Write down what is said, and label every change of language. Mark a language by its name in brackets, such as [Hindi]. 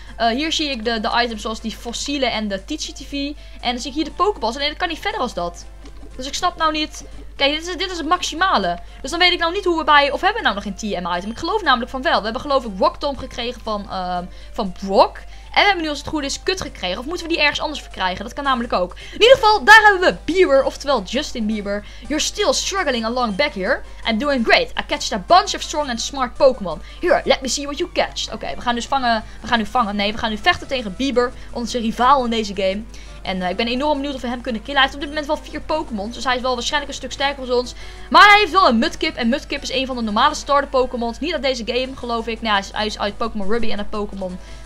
[Dutch] Hier zie ik de items zoals die fossielen en de Tichy TV. En dan zie ik hier de pokeballs. Alleen dat kan niet verder als dat. Dus ik snap nou niet Kijk, dit is het maximale. Dus dan weet ik nou niet hoe we bij... Of hebben we nou nog een TM item? Ik geloof namelijk van wel. We hebben geloof ik Rocktomb gekregen van Brock. En we hebben nu als het goed is Kut gekregen. Of moeten we die ergens anders verkrijgen? Dat kan namelijk ook. In ieder geval, daar hebben we Bieber. Oftewel Justin Bieber. [English] You're still struggling along back here. And doing great. I catched a bunch of strong and smart Pokémon. Here, let me see what you catched. [Dutch] Oké, we gaan dus vangen. We gaan nu vechten tegen Bieber. Onze rivaal in deze game. En ik ben enorm benieuwd of we hem kunnen killen. Hij heeft op dit moment wel 4 Pokémon. Dus hij is wel waarschijnlijk een stuk sterker als ons. Maar hij heeft wel een Mudkip. En Mudkip is een van de normale starter Pokémon. Niet uit deze game, geloof ik. Nou, hij is uit Pokémon Ruby en uit Pokémon...